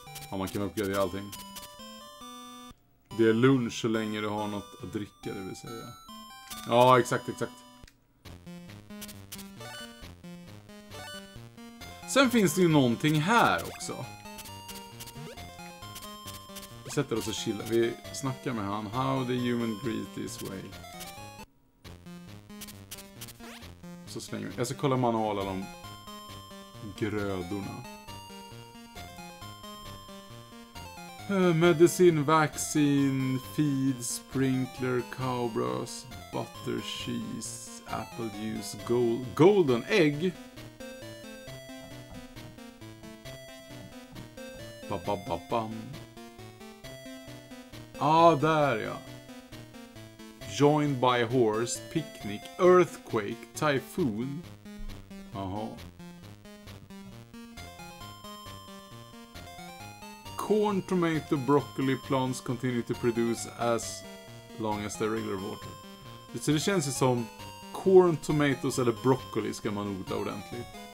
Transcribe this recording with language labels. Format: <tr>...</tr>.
<sv>Ja, man kan uppgradera allting. Det är lunch så länge du har något att dricka, det vill säga. Ja, exakt. Sen finns det ju någonting här också. Vi sätter oss och chillar. Vi snackar med han.</sv> <en>How the human greet this way.</en> <sv>Så slänger vi. Jag ska kolla manualen om grödorna.</sv> <en>Medicine, vaccine, feed, sprinkler, cowbrows, butter, cheese, apple juice, golden egg. Ba-ba-ba-bam.</en> <sv>Ah, där ja.</sv> <en>Joined by horse, picnic, earthquake, typhoon. Aha. Corn, tomato, broccoli, plants continue to produce as long as the regular water.</en> <sv>Så det känns ju som corn, tomatoes eller broccoli ska man odla ordentligt.</sv>